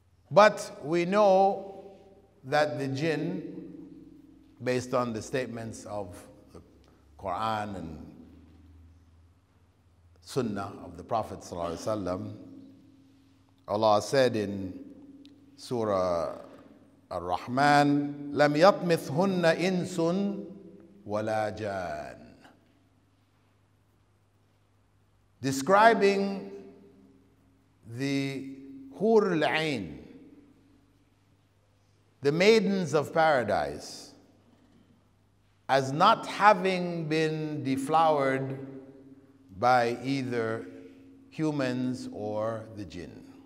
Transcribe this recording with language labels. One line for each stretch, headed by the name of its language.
English: But we know that the jinn, based on the statements of the Quran and Sunnah of the Prophet sallallahu alaihi wasallam, Allah said in Surah
Arabic: الرحمن لم يطمثهن إنس ولا جان.
English: Describing the Hur al-Ain, the maidens of paradise, as not having been deflowered by either humans or the jinn.